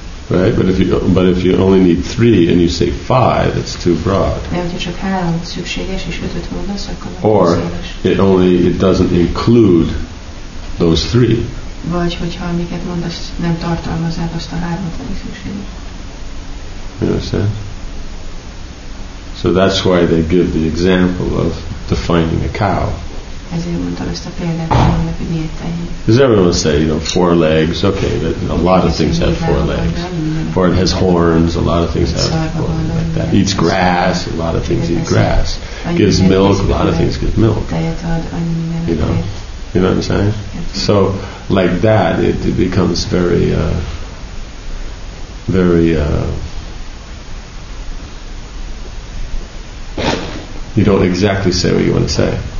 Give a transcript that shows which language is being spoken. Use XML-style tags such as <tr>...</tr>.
<en>Right, but if you only need three and you say five, it's too broad. Or it only, it doesn't include those three.</en> <hu>Vagy hogyha amiket mondasz, nem tartalmaz el azt a hármat, ami szükséges.</hu> <en>You understand? So that's why they give the example of defining a cow.</en> <hu>Ezért mondtam ezt a példát, hogy miért tehén.</hu> <en>Does everyone say, you know, four legs? Okay, that, you know, a lot of things have four legs. Or it has horns, a lot of things have horns. Like that. Eats grass, a lot of things eat grass. Gives milk, a lot of things give milk. You know? You know what I'm saying? So, like that, it, it becomes very, very, you don't exactly say what you want to say.</en>